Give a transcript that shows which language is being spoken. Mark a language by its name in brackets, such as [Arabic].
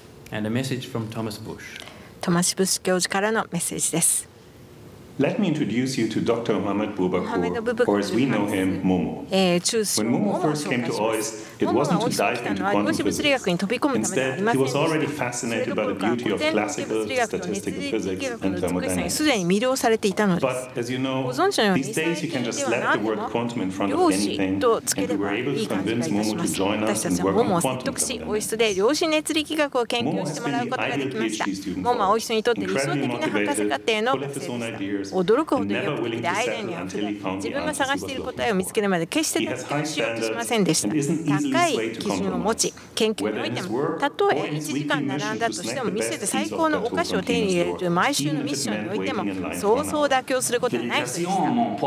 [English] And a message from Thomas Bush. [Japanese] トマス・ブッシュ教授からのメッセージです。 [English] Let me introduce you to Dr. Mohamed Boubakour, or as we know him, Momo. When Momo first came to OIST, it wasn't to dive into quantum physics. Instead, he was already fascinated by the beauty of classical statistical physics and thermodynamics. But as you know, these days you can just slap the word quantum in front of anything, and we were able to convince Momo to join us and work on quantum thermodynamics. Momo has been the ideal PhD student for us, incredibly motivated, full of his own ideas, [Japanese] 驚くほど欲的でアイデアに溢れ、自分が探している答えを見つけるまで決して妥協しようとしませんでした。高い基準を持ち、研究においても、たとえ1時間並んだとしても、店で最高のお菓子を手に入れるという毎週のミッションにおいても、そうそう妥協することはない人でした。